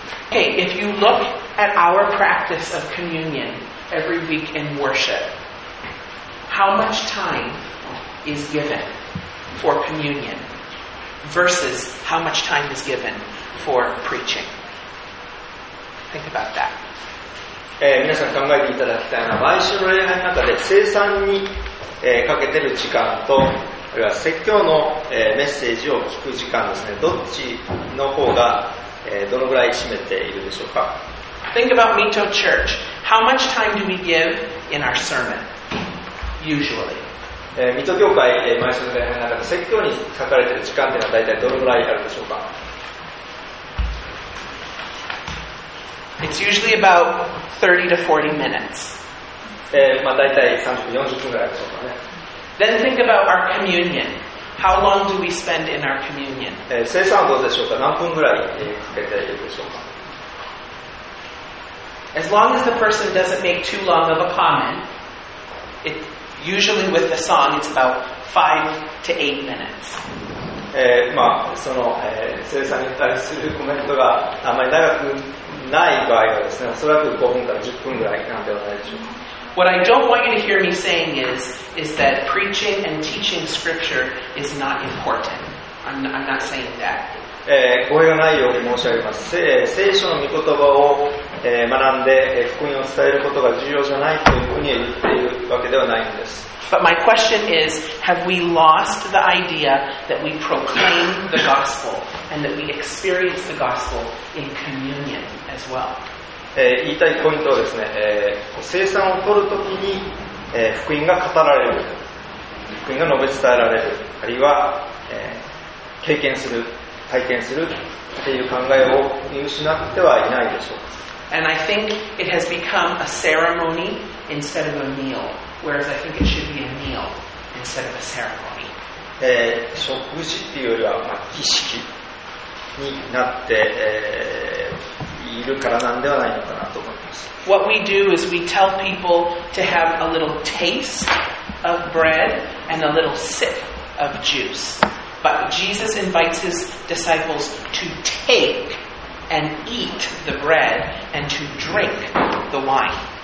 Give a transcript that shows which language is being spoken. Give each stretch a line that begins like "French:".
English: Hey, if you look at our practice of communion every week in worship, how much time is given for communion? Versus how much time is given for preaching. Think about that.
Japanese: 皆さん考えていただきたいのは、毎週の礼拝の中で聖餐に、かけてる時間と、あるいは説教の、メッセージを聞く時間ですね。どっちの方が、どのぐらい占めているでしょうか。
English: Think about Mito Church. How much time do we give in our sermon? Usually.
Japanese: 水戸教会、毎週の礼拝の中で説教に書かれている時間というのは大体どのぐらいあるでしょうか。
English: It's usually about 30 to 40 minutes、
Japanese: まあ、大体30分40分ぐらいでしょうかね。
English: Then think about our communion. How long do we spend in our communion?
Japanese: 聖餐はどうでしょうか。何分ぐらい、かけているでしょうか。
English: As long as the person doesn't make too long of a comment, itUsually with the song, it's about 5 to 8 minutes.
Japanese: まあ、その、聖さんに対するコメントがあまり長くない場合はですね、おそらく5分から10分ぐらいなんではないでしょうか。
English: What I don't want you to hear me saying is that preaching and teaching scripture is not important. I'm not saying that.
Japanese: 語彙がないように申し上げます。聖書の御言葉を、学んで、福音を伝えることが重要じゃないというふうに言っているわけではないんです。
English: But my question is, have we lost the idea that we proclaim the gospel and that we experience the gospel in communion as well?
Japanese: 言いたいポイントはですね、聖餐を取るときに、福音が語られる、福音が述べ伝えられる、あるいは、経験する。体験するっていう考えを見失ってはいないでしょうか。
English: And I think it has become a ceremony instead of a meal, whereas I think it should be a meal instead of a ceremony.
Japanese: 食事っていうよりは、まあ、儀式になって、いるからなんではないのかなと思います。
English: What we do is we tell people to have a little taste of bread and a little sip of juice. But Jesus invites his disciples to take and eat the bread and to drink the wine.